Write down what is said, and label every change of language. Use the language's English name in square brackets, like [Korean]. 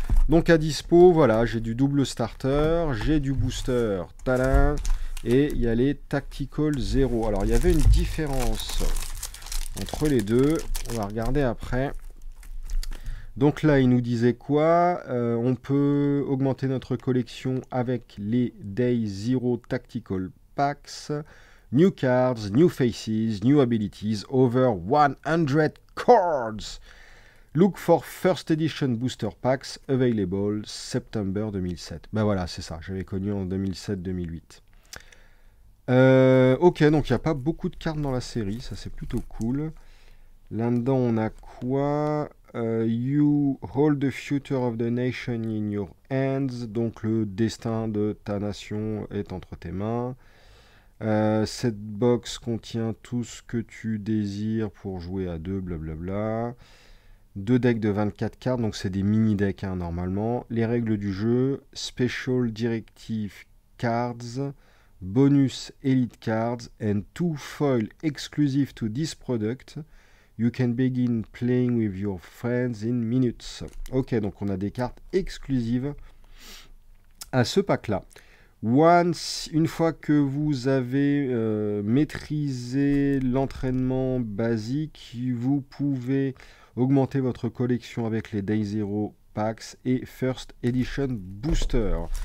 [French] Donc à dispo, voilà, j'ai du double starter, j'ai du booster tadang, et il y a les Tactical Zero. Alors il y avait une différence entre les deux, on va regarder après. Donc là, il nous disait quoi? On peut augmenter notre collection avec les Day Zero Tactical Packs. [English] New cards, new faces, new abilities, over 100 cards. Look for first edition booster packs available September 2007. [French] Voilà, c'est ça. J'avais connu en 2007-2008. Ok, donc il n'y a pas beaucoup de cartes dans la série. Ça, c'est plutôt cool. Là-dedans, on a quoi? [English] You hold the future of the nation in your hands. [French] Donc le destin de ta nation est entre tes mains. Cette box contient tout ce que tu désires pour jouer à deux, blablabla. Deux decks de 24 cartes, donc c'est des mini decks hein, normalement. Les règles du jeu, [English] Special Directive Cards, Bonus Elite Cards, and two foil exclusive to this product. You can begin playing with your friends in minutes. [French] Ok, donc on a des cartes exclusives à ce pack-là. [English] Once, [French] une fois que vous avez maîtrisé l'entraînement basique, vous pouvez augmenter votre collection avec les Day Zero Packs et First Edition Booster.